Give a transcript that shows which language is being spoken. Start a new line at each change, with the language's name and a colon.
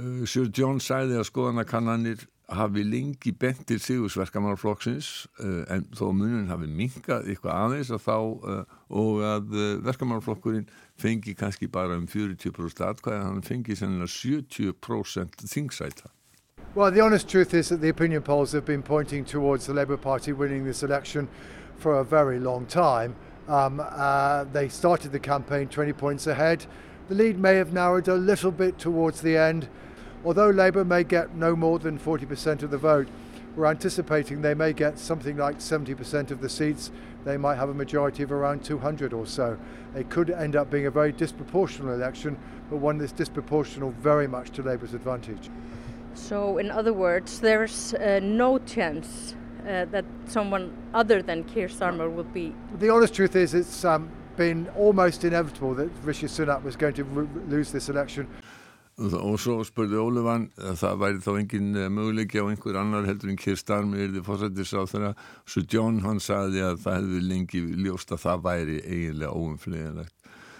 Icelandic: Sir John sagði að skoðanakannanir hafi lengi bent til sigursverkamannaflokksins en þó munun hafi minkað eitthvað aðeins að þá og að verkamannaflokkurinn fengi kannski bara 40% atkvæða, hann fengi sennilega 70% þingsæta.
English: Well, the honest truth is that the opinion polls have been pointing towards the Labour Party winning this election for a very long time. They started the campaign 20 points ahead. The lead may have narrowed a little bit towards the end. Although Labour may get no more than 40% of the vote, we're anticipating they may get something like 70% of the seats. They might have a majority of around 200 or so. It could end up being a very disproportional election, but one that's disproportional very much to Labour's advantage. So in other words, there's no chance that someone other than Keir Starmer will be... The honest truth is it's... been almost inevitable that Rishi Sunak was going to lose this election.
Icelandic: Og svo spurði Ólafan að það væri þá engin möguleiki á einhver annar heldur en Keir Starmer yrði forsætisráðherra. Svo John hann sagði að það hefði lengi ljóst að það væri eiginlega óumflýjanlegt.